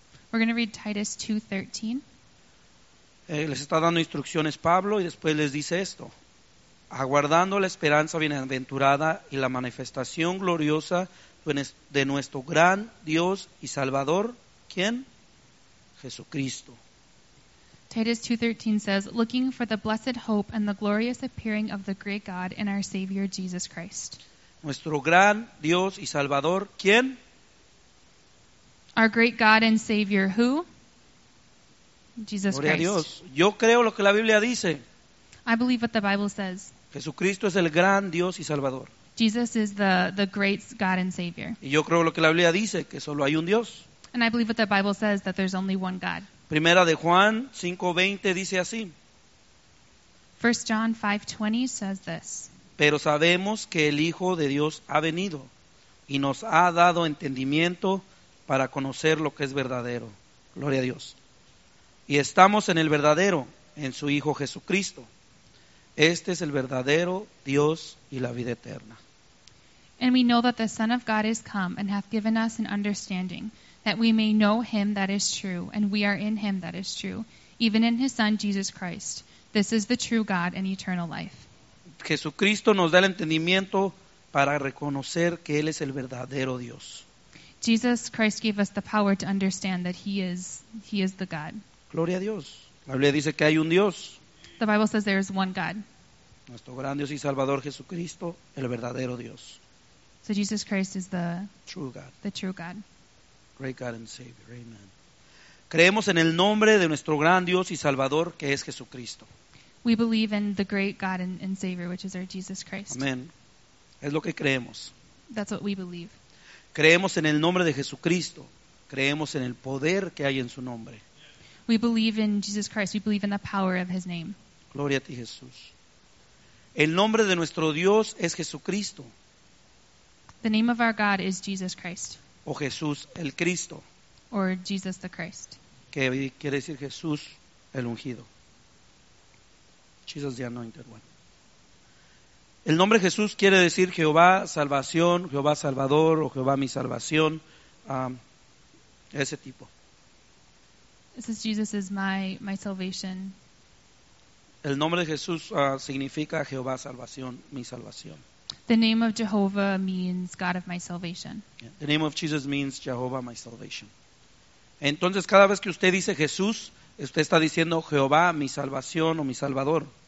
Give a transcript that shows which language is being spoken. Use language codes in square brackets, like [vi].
[en] We're going to read Titus 2:13. [es] Les está dando instrucciones Pablo y después les dice esto. Aguardando la esperanza bienaventurada y la manifestación gloriosa de nuestro gran Dios y Salvador, ¿quién? Jesucristo. [en] Titus 2:13 says, "Looking for the blessed hope and the glorious appearing of the great God and our Savior Jesus Christ." [es] Nuestro gran Dios y Salvador, ¿quién? [en] Our great God and Savior, who? Jesus [es] Gloria a Dios. Yo creo lo que la Biblia dice. [en] I believe what the Bible says. [es] Jesucristo es el gran Dios y Salvador. [en] Jesus is the great God and Savior. [es] Y yo creo lo que la Biblia dice, que solo hay un Dios. [en] And I believe what the Bible says, that there's only one God. [es] Primera de Juan 5:20 dice así. [en] 1 John 5:20 says this. [es] Pero sabemos que el Hijo de Dios ha venido y nos ha dado entendimiento para conocer lo que es verdadero. Gloria a Dios. Y estamos en el verdadero, en su Hijo Jesucristo. Este es el verdadero Dios y la vida eterna. [en] And we know that the Son of God is come and hath given us an understanding, that we may know him that is true, and we are in him that is true, even in his Son Jesus Christ. This is the true God and eternal life. [es] Jesucristo nos da el entendimiento para reconocer que Él es el verdadero Dios. [en] Jesus Christ gave us the power to understand that He is the God. [es] Gloria a Dios. La Biblia dice que hay un Dios. [en] The Bible says there is one God. [es] Nuestro gran Dios y Salvador Jesucristo, el verdadero Dios. [en] So Jesus Christ is the true God. The true God. Great God and Savior. Amen. [es] Creemos en el nombre de nuestro gran Dios y Salvador, que es Jesucristo. [en] We believe in the great God and Savior, which is our Jesus Christ. [es] Amén. Es lo que creemos. [en] That's what we believe. [es] Creemos en el nombre de Jesucristo. Creemos en el poder que hay en su nombre. [en] We believe in Jesus Christ. We believe in the power of his name. [es] Gloria a ti, Jesús. El nombre de nuestro Dios es Jesucristo. [en] The name of our God is Jesus Christ. [es] O Jesús el Cristo. [en] Or Jesus the Christ. [es] Que quiere decir Jesús el ungido. [en] Jesus the anointed one. [es] El nombre Jesús quiere decir Jehová salvación, Jehová salvador o Jehová mi salvación, ese tipo. [en] It says Jesus is my salvation. [es] El nombre de Jesús significa Jehová salvación, mi salvación. [en] The name of Jehovah means God of my salvation. Yeah. The name of Jesus means Jehovah my salvation. [es] Entonces cada vez que usted dice Jesús, usted está diciendo Jehová mi salvación o mi salvador.